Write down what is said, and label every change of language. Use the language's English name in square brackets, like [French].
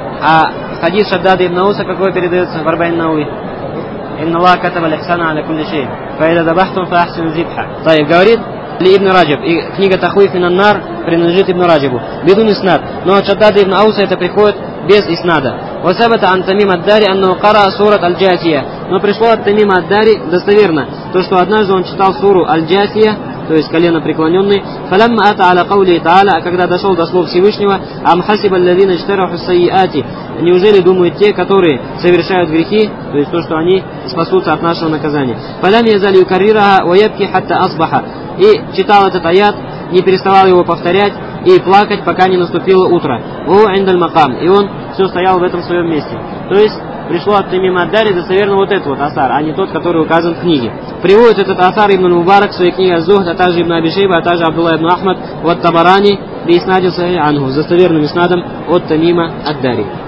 [Russian] А хадис Шаддада ибн Ауса какой передается в Арбаин Науи? [Arabic] إِنَّ اللَّهَ كَتَبَ الْإِحْسَانَ عَلَى كُلِّ شَيْءٍ فَإِذَا ذَبَحْتُمْ فَأَحْسِنُوا الذِّبْحَ. طيب, [Russian] говорит ли ибн Раджиб, и книга «Тахуиф мина ан-нар» принадлежит ибн Раджибу. [Arabic] Бидун иснад. [Russian] Но от Шаддада ибн Ауса это приходит без иснада. [Arabic] وثبت عن تميم الداري أنه قرأ سورة الجاثية. [Russian] Но пришло от Тамима ад-Дари достоверно, то что однажды он читал суру аль-Джасия, то есть колено преклоненный. [Arabic] فلما أتى على قوله تعالى, [Russian] а когда дошел до слов Всевышнего, [Arabic] أم حسب الذين اجترحوا السيئات. [Russian] Неужели думают те, которые совершают грехи, то есть то, что они спасутся от нашего наказания. [Arabic] فلم يزل يكررها ويبكي حتى أصبح. [Russian] И читал этот аят, не переставал его повторять и плакать, пока не наступило утро. [Arabic] وهو عند المقام. [Russian] И он все стоял в этом своем месте. То есть пришло от Тамима ад-Дари достоверно вот этот вот асар, а не тот, который указан в книге. Приводит этот асар ибн Мубарак в своей книге «Аз-Зухд», а также ибн Аби Шейба, а также Абдулла ибн Ахмад в «Ат-Табарани» при иснаде сахи анху, с достоверным иснадом от Тамима ад-Дари.